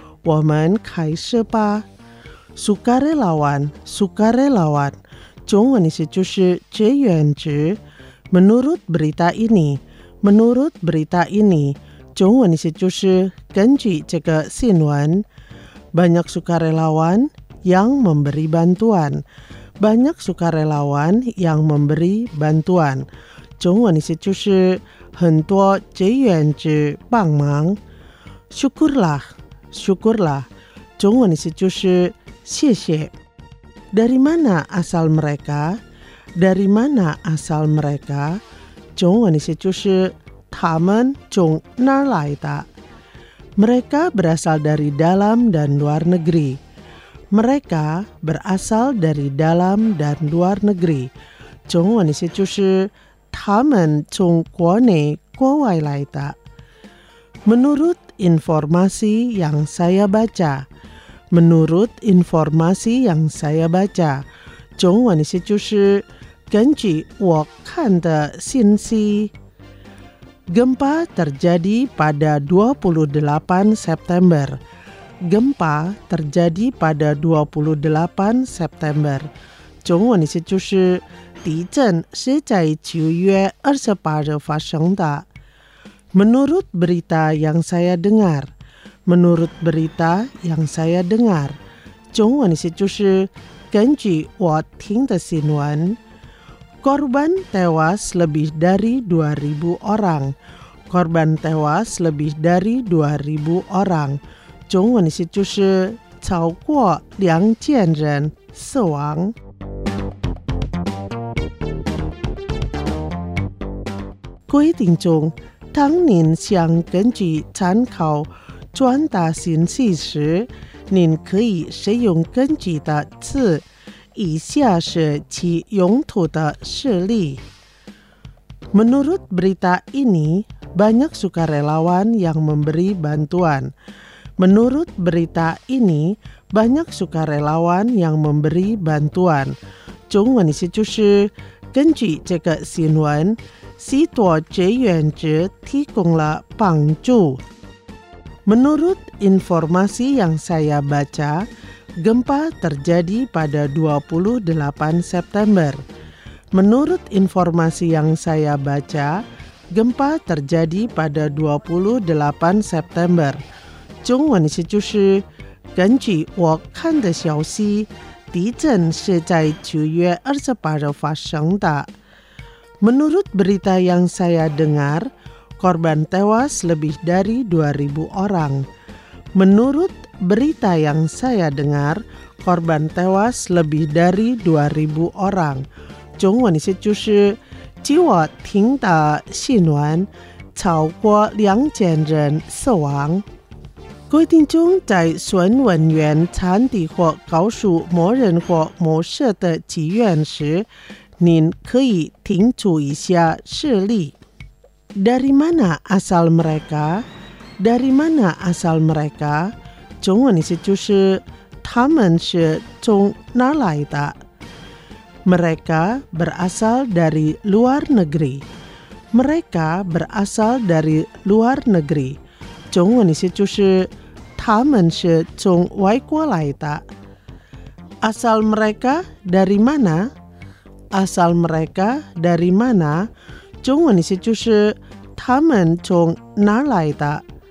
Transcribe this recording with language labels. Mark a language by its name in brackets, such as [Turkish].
[Chinese] 我们开始吧。 Sukarelawan， Sukarelawan 中文意思就是志愿者。 [Indonesian] Menurut berita ini， Menurut berita ini [Chinese] 中文意思就是根据这个新闻。 [Indonesian] Banyak sukarelawan yang memberi bantuan， Banyak sukarelawan yang memberi bantuan [Chinese] 中文意思就是很多志愿者帮忙。 Syukurlah， Syukurlah 中文意思就是谢谢。 [Indonesian] Dari mana asal mereka？ Dari mana asal mereka？ [Chinese] 中文意思就是他们从哪来的。 [Indonesian] Mereka berasal dari dalam dan luar negeri。 Mereka berasal dari dalam dan luar negeri。 [Chinese] 中文意思就是他们从国内国外来的。 [Indonesian] Menurut informasi yang saya baca， Menurut informasi yang saya baca， [Chinese] 中文意思就是根据我看的信息。 [Indonesian] Gempa terjadi pada 28 September， Gempa terjadi pada 28 September， [Chinese] 中文意思就是地震是在7月28日发生的。 [Indonesian] Menurut berita yang saya dengar， Menurut berita yang saya dengar， [Chinese] 中文意思就是根据我听的新闻。 [Indonesian] Korban tewas lebih dari 2000 orang. Korban tewas lebih dari 2000 orang. [Chinese] 中文意思就是超过2000人死亡。各位听众，当您想根据参考传达信息时，您可以使用根据的词。以下是其用途的事例。 [Indonesian] Menurut berita ini banyak sukarelawan yang memberi bantuan。 Menurut berita ini banyak sukarelawan yang memberi bantuan。 [Chinese] 中文意思就是根据这个新闻，许多志愿者提供了帮助。 [Indonesian] Menurut informasi yang saya baca，Gempa terjadi pada 28 September. Menurut informasi yang saya baca, gempa terjadi pada 28 September. [Chinese] 中文是就是根据我看的消息，地震是在7月28日发生的。 [Indonesian] Menurut berita yang saya dengar, korban tewas lebih dari 2000 orang. MenurutBerita yang saya dengar, korban tewas lebih dari 2000 orang. [Chinese] 中文意思就是，据我听的新闻，超过2000人死亡。各位听众，在询问员传递或告诉某人或某事的起源时，您可以听出一下事例。 [Indonesian] Dari mana asal mereka? Dari mana asal mereka? [Chinese] 中文意思就是他们是从哪来的？ [Indonesian] Mereka berasal dari luar negeri. Mereka berasal dari luar negeri. [Chinese] 中文意思就是他们是从外国来的。 [Indonesian] Asal mereka dari mana? Asal mereka dari mana? [Chinese] 中文意思就是他们从哪来的？